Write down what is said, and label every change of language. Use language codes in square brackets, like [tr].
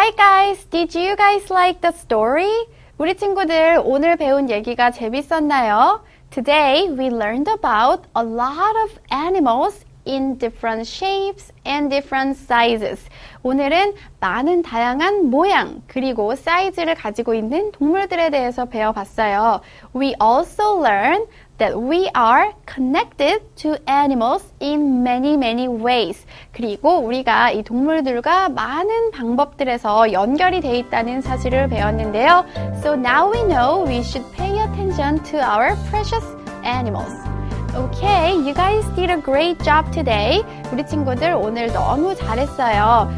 [en] Alright guys, did you guys like the story? [ko] 우리 친구들 오늘 배운 얘기가 재밌었나요? [en] Today we learned about a lot of animals in different shapes and different sizes. [ko] 오늘은 많은 다양한 모양 그리고 사이즈를 가지고 있는 동물들에 대해서 배워봤어요. [en] We also learned that we are connected to animals in many, many ways. [ko] 그리고 우리가 이 동물들과 많은 방법들에서 연결이 돼 있다는 사실을 배웠는데요. [en] So now we know we should pay attention to our precious animals. Okay, you guys did a great job today. [ko] 우리 친구들 오늘 너무 잘했어요.